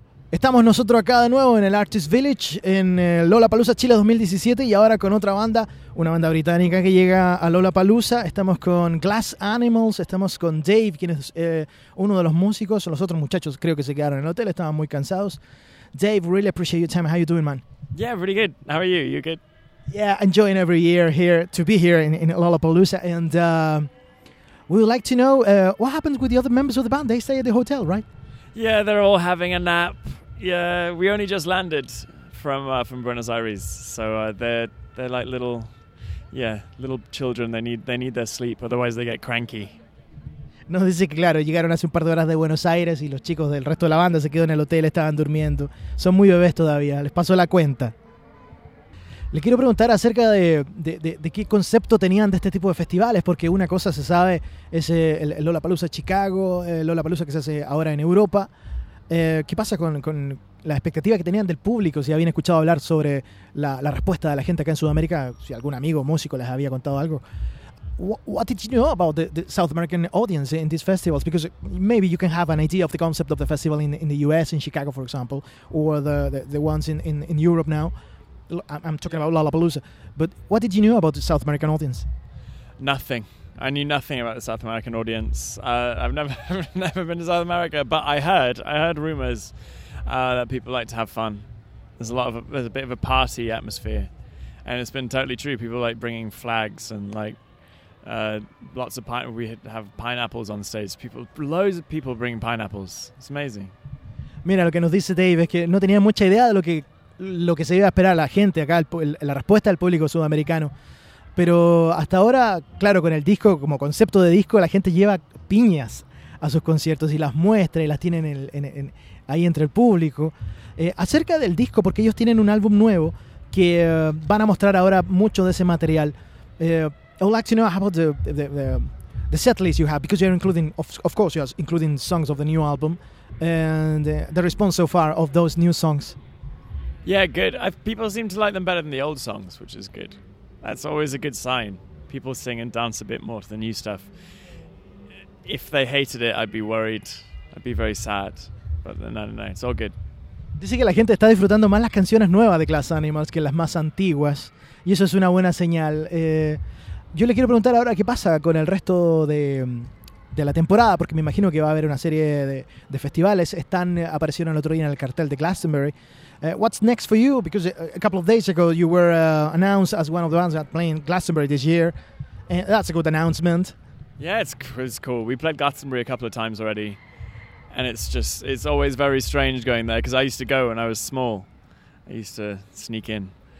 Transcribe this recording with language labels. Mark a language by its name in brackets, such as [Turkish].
[Spanish] Estamos nosotros acá de nuevo en el Artist Village, en Lollapalooza Chile 2017, y ahora con otra banda, una banda británica que llega a Lollapalooza. Estamos con Glass Animals, estamos con Dave, quien es uno de los músicos. Los otros muchachos creo que se quedaron en el hotel, estaban muy cansados. [English] Dave, really appreciate your time. How you doing, man? Yeah, pretty good. How are you? You good? Yeah, enjoying every year here, to be here in Lollapalooza. And we would like to know what happens with the other members of the band. They stay at the hotel, right? Yeah, they're all having a nap. Yeah, we only just landed from Buenos Aires, so they're like little children. They need their sleep, otherwise they get cranky. [Spanish] No, dice que claro, llegaron hace un par de horas de Buenos Aires y los chicos del resto de la banda se quedaron en el hotel, estaban durmiendo. Son muy bebés todavía. Les pasó la cuenta. Le quiero preguntar acerca de qué concepto tenían de este tipo de festivales, porque una cosa se sabe es el Lollapalooza Chicago, el Lollapalooza que se hace ahora en Europa. ¿Qué pasa con la expectativa que tenían del público? Si habían escuchado hablar sobre la respuesta de la gente acá en Sudamérica, si algún amigo músico les había contado algo. [English] What did you know about the South American audience in these festivals? Because maybe you can have an idea of the concept of the festival in the US, in Chicago, for example, or the ones in Europe now. I'm talking about Lollapalooza, but what did you know about the South American audience? Nothing. I knew nothing about the South American audience. I've never been to South America, but I heard rumors that people like to have fun. There's a bit of a party atmosphere, and it's been totally true. People like bringing flags and like lots of we have pineapples on stage. Loads of people bring pineapples. It's amazing. [Spanish] Mira, lo que nos dice Dave es que no tenía mucha idea de lo que se iba a esperar la gente acá, la respuesta del público sudamericano. Pero hasta ahora, claro, con el disco, como concepto de disco, la gente lleva piñas a sus conciertos y las muestra y las tiene ahí entre el público. Acerca del disco, porque ellos tienen un álbum nuevo que van a mostrar ahora mucho de ese material. [English] I would like to know about the set list you have, because you're including, of course, you're including songs of the new album and the response so far of those new songs. Yeah, good. People seem to like them better than the old songs, which is good. That's always a good sign. People sing and dance a bit more to the new stuff. If they hated it, I'd be worried. I'd be very sad. But then, no, it's all good. [Spanish] Dice que la gente está disfrutando más las canciones nuevas de Glass Animals que las más antiguas. Y eso es una buena señal. Yo le quiero preguntar ahora qué pasa con el resto de la temporada, porque me imagino que va a haber una serie de festivales. Aparecieron el otro día en el cartel de Glastonbury. [English] What's next for you? Because a couple of days ago you were announced as one of the bands that playing Glastonbury this year. That's a good announcement. Yeah, it's cool. We played Glastonbury a couple of times already. And it's always very strange going there, because I used to go when I was small. I used to sneak in.